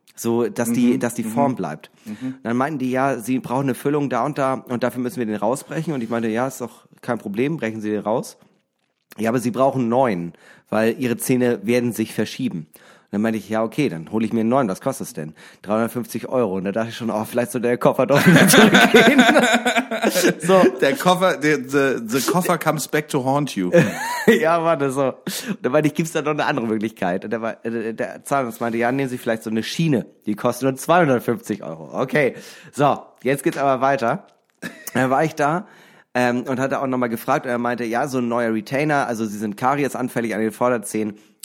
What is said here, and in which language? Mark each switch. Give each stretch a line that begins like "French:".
German: So, dass die Form bleibt. Mhm. Und dann meinten die, ja, sie brauchen eine Füllung da und da und dafür müssen wir den rausbrechen. Und ich meinte, ja, ist doch kein Problem, brechen Sie den raus. Ja, aber sie brauchen 9, weil ihre Zähne werden sich verschieben. Und dann meinte ich, ja, okay, dann hole ich mir 9, was kostet es denn? 350 Euro. Und da dachte ich schon, oh, vielleicht soll der Koffer doch wieder zurückgehen. So. Der Koffer,
English: the Koffer comes back to haunt you.
German: Ja, warte, so. Und dann meinte ich, gibt's da noch eine andere Möglichkeit? Und der Zahnarzt meinte, ja, nehmen Sie vielleicht so eine Schiene. Die kostet nur 250 Euro. Okay, so, jetzt geht's aber weiter. Dann war ich da und hatte auch nochmal gefragt. Und er meinte, ja, so ein neuer Retainer, also Sie sind kariesanfällig an den Vorderzähnen.